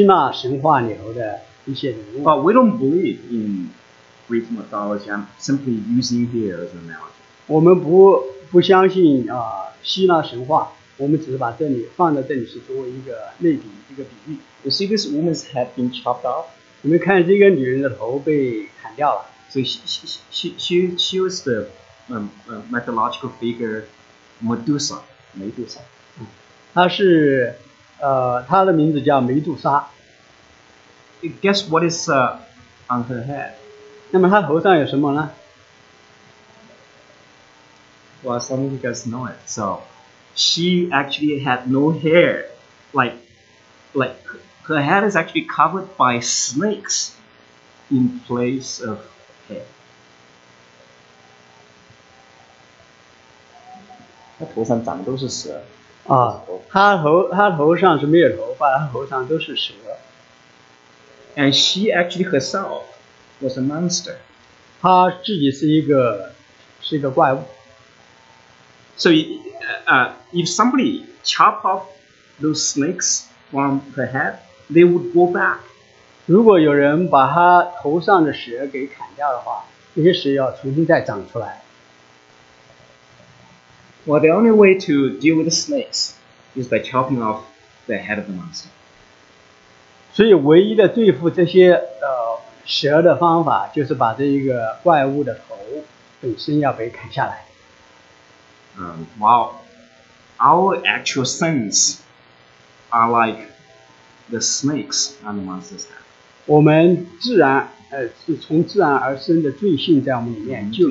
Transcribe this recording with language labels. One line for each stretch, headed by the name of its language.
Chinese: 这是一个著名的艺术家所做的，是讲的是希腊神话里头的一些人物。
English: But we don't believe in Greek mythology. I'm simply using here as an analogy.
Chinese: 我们不相信 希腊神话, 我们只是把这里放在这里是作为一个类比, 一个比喻。
English: You see this woman's head being chopped off?
Chinese: 你们看这个女人的头被砍掉了。
English: So she was the mythological figure Medusa.
Chinese: 梅杜莎。她是她的名字叫梅杜莎。
English: Guess what is on her head?
Chinese: 那么她头上有什么呢？
English: Well, some of you guys know it. So she actually had no hair. Like her head is actually covered by snakes in place of hair.
Chinese: 她头上长的都是蛇。啊，她头上是没有头发，她头上都是蛇。
English: And she actually herself was a monster.
Chinese: 她自己是一个怪物。
English: So if somebody chop off those snakes from her head, they would go back.
Chinese: 如果有人把她头上的蛇给砍掉的话，那些蛇要重新再长出来。
English: Well, the only way to deal with the snakes is by chopping off the head of the monster.
Chinese: 所以唯一的对付这些蛇的方法就是把这一个怪物的头本身要被砍下来。
English: Well, our actual sins are like the snakes on the monster's head.
Chinese: 我们自然是从自然而生的罪性在我们里面就